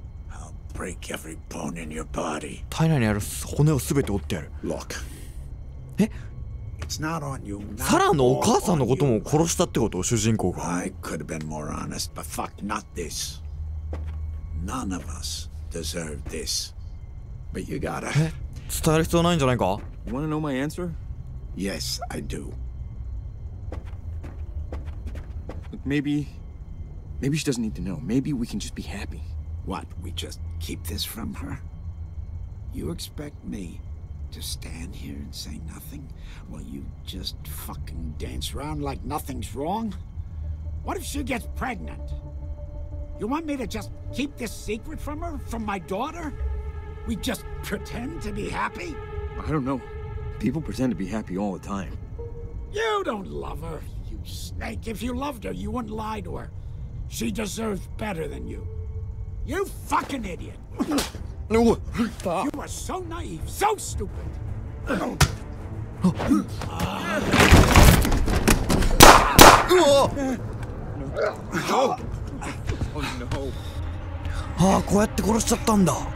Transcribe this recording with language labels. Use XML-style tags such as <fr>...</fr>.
<en>I'll break every bone in your body.</en> <ja>体内にある骨をすべて折ってやる。</ja> <en>Look. え？ It's not on you.</en> <ja>サラのお母さんのことも殺したってこと？主人公が。</ja> <en>I could have been more honest, but fuck not this. None of us deserve this. But you gotta.</en> <ja>伝える必要ないんじゃないか？</ja> <en>You wanna know my answer? Yes, I do. Look, maybe she doesn't need to know. Maybe we can just be happy. What? We just keep this from her? You expect me to stand here and say nothing while you just fucking dance around like nothing's wrong? What if she gets pregnant? You want me to just keep this secret from her, from my daughter? We just pretend to be happy? I don't know. People pretend to be happy all the time. You don't love her, you snake. If you loved her, you wouldn't lie to her. She deserves better than you. You fucking idiot. No. You are so naive, so stupid. Oh, no.</en> <ja>Ah, こうやって殺しちゃったんだ。</ja>